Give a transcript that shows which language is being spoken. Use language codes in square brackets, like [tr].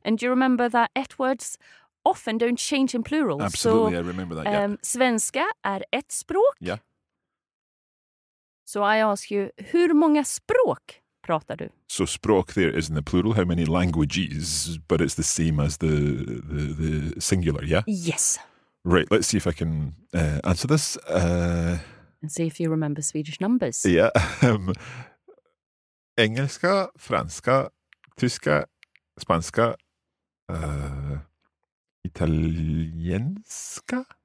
[en] And you remember that et words often don't change in plural. Absolutely, so, I remember that, yeah. [sv] Svenska är ett språk. [en] Yeah. So I ask you, [sv] hur många språk pratar du? [en] So språk there is in the plural, how many languages, but it's the same as the singular, yeah? Yes. Right, let's see if I can answer this. And see if you remember Swedish numbers. Yeah. [sv] Engelska, franska, tyska, spanska, italienska.